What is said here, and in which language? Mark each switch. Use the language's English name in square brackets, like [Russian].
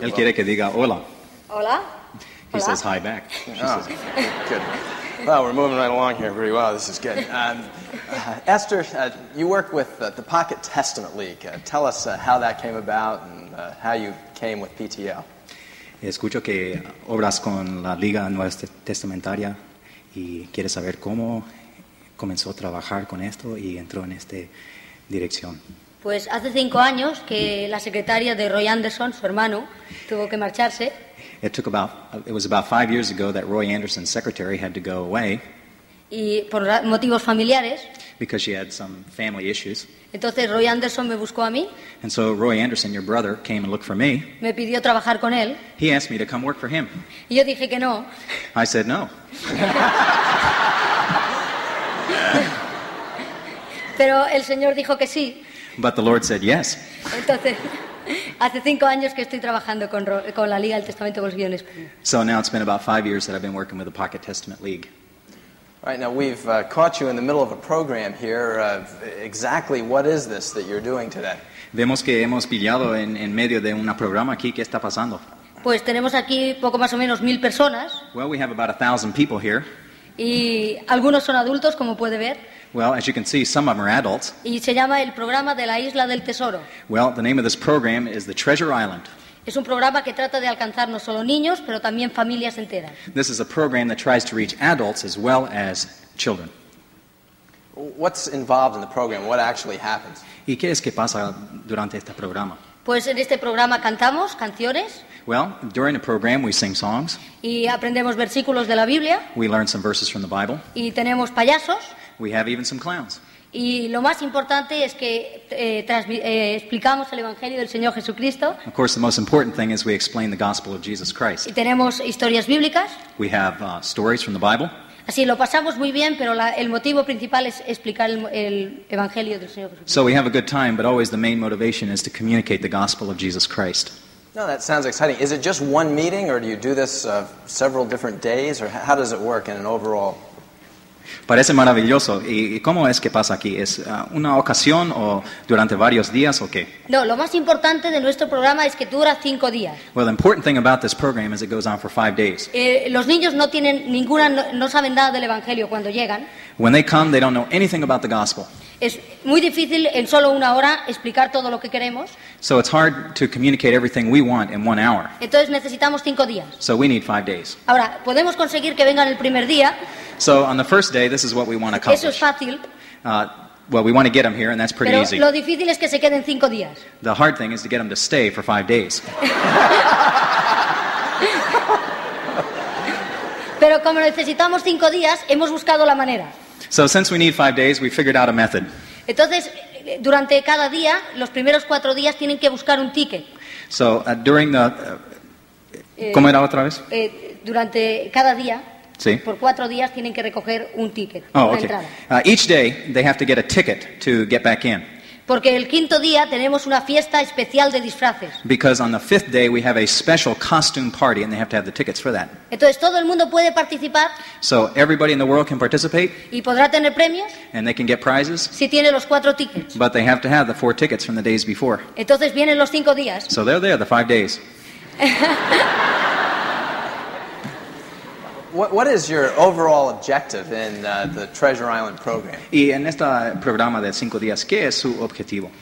[English] will. [Spanish] Él quiere que diga hola. Hola. [English] He says hi back. Good. Well, we're moving right along here pretty well. This is good. Esther, you work with the Pocket Testament League. Tell us how that came about and how you came with PTL. [Spanish] Escucho que obras con la Liga Nueva Testamentaria y quiere saber cómo comenzó a trabajar con esto y entró en esta dirección. Pues hace 5 años que la secretaria de Roy Anderson, su hermano, tuvo que marcharse. [English] It was about 5 years ago that Roy Anderson's secretary had to go away. [Spanish] Y por motivos familiares. [English] Because she had some family issues. [Spanish] Entonces Roy Anderson me buscó a mí. [English] And so Roy Anderson, your brother, came and looked for me. [Spanish] Me pidió trabajar con él. [English] He asked me to come work for him. [Spanish] Y yo dije que no. [English] I said no. [Spanish] Pero el señor dijo que sí. [English] But the Lord said yes. [Spanish] Entonces, hace 5 años que estoy trabajando con la Liga del Testamento Bolivio en España. [English] So now it's been about 5 years that I've been working with the Pocket Testament League. All right, now we've caught you in the middle of a program here. Exactly what is this that you're doing today? [Spanish] Vemos que hemos pillado en medio de un programa aquí. ¿Qué está pasando? Pues tenemos aquí poco más o menos 1,000 personas. [English] Well, we have about 1,000 people here. [Spanish] Y algunos son adultos, como puede ver. [English] Well, as you can see, some of them are adults. [Spanish] Y se llama el programa de la Isla del Tesoro. [English] Well, the name of this program is the Treasure Island. [Spanish] Es un programa que trata de alcanzar no solo niños, pero también familias enteras. [English] This is a program that tries to reach adults as well as children. What's involved in the program? What actually happens? [Spanish] ¿Y qué es que pasa durante este programa? Pues en este programa cantamos canciones. [English] Well, during the program we sing songs. [Spanish] Y aprendemos versículos de la Biblia. [English] We learn some verses from the Bible. [Spanish] Y tenemos payasos. [English] We have even some clowns. [Spanish] Y lo más importante es que explicamos el Evangelio del Señor Jesucristo. [English] Of course, the most important thing is we explain the gospel of Jesus Christ. [Spanish] Y tenemos historias bíblicas. [English] We have stories from the Bible. [Spanish] Así lo pasamos muy bien, pero el motivo principal es explicar el Evangelio del Señor Jesucristo. [English] So we have a good time, but always the main motivation is to communicate the gospel of Jesus Christ. No, that sounds exciting. Is it just one meeting, or do you do this several different days, or how does it work in an overall? [Spanish] Parece maravilloso. ¿Y cómo es que pasa aquí? ¿Es una ocasión o durante varios días o qué? No, lo más importante de nuestro programa es que dura 5 días. [English] Well, the important thing about this program is it goes on for 5 days. [Spanish] Los niños no tienen ninguna, no saben nada del Evangelio cuando llegan. [English] When they come, they don't know anything about the gospel. [Spanish] Es muy difícil en solo una hora explicar todo lo que queremos. [English] So it's hard to communicate everything we want in 1 hour. [Spanish] Entonces necesitamos 5 días. [English] So we need 5 days. [Spanish] Ahora, podemos conseguir que vengan el primer día. [English] So on the first day, this is what we want to accomplish. [Spanish] Eso es fácil. [English] Well, we want to get them here, and that's pretty [Spanish] Pero [English] easy. [Spanish] Lo difícil es que se queden 5 días. [English] The hard thing is to get them to stay for 5 days. [Spanish] Pero como necesitamos 5 días, hemos buscado la manera. [English] So since we need 5 days, we figured out a method. [Spanish] Entonces, durante cada día, los primeros 4 días tienen que buscar un ticket. [English] So during the... [Spanish] ¿Cómo era otra vez? Durante cada día... Sí. Por 4 días tienen que recoger un ticket. [English] Oh, okay. Each day they have to get a ticket to get back in. [Spanish] Porque el quinto día tenemos una fiesta especial de disfraces. [English] Because on the fifth day we have a special costume party and they have to have the tickets for that. [Spanish] Entonces todo el mundo puede participar. [English] So everybody in the world can participate. [Spanish] Y podrá tener premios. [English] And they can get prizes. [Spanish] Si tiene los 4 tickets. [English] But they have to have the 4 tickets from the days before. [Spanish] Entonces vienen los 5 días. [English] So they're there the 5 days. What is your overall objective in the Treasure Island program? [Spanish] Y en este programa de 5 días, ¿qué es su objetivo?